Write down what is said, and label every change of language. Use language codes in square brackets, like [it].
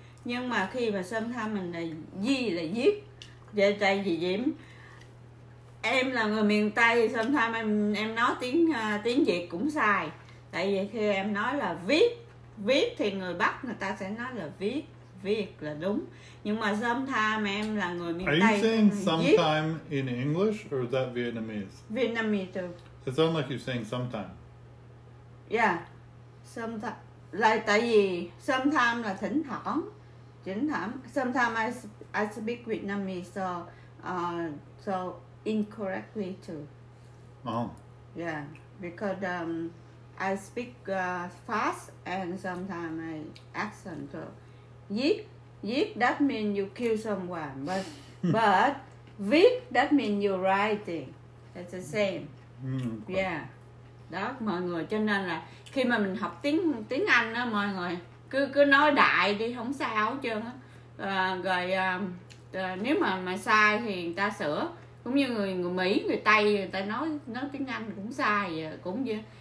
[vi] Nhưng mà khi mà sometimes mình là di là viết. Vậy tại vì Diễm, em là người miền Tây, sometimes em nói tiếng Việt cũng sai. Tại vì khi em nói là viết, viết thì người Bắc người ta sẽ nói là viết, viết là đúng. Nhưng mà sometimes em là người miền Tây. [en] Are you saying sometimes in English or is that Vietnamese? Vietnamese too. It sounds like you're saying sometime. Yeah. Sometime. [vi] Like, tại vì sometimes là thỉnh thoảng. [en] Thỉnh thoảng. Sometimes I speak Vietnamese, so incorrectly too. Oh. Yeah, because I speak fast and sometimes I accent. So, viết that mean you kill someone, but but viết that mean you writing. It's the same. Mm-hmm. Yeah. [vi] Đó mọi người, cho nên là khi mà mình học tiếng Anh á, mọi người cứ nói đại đi, không sao hết trơn á. Rồi nếu mà mày sai thì người ta sửa. Cũng như người Mỹ, người Tây, người ta nói tiếng Anh cũng sai vậy.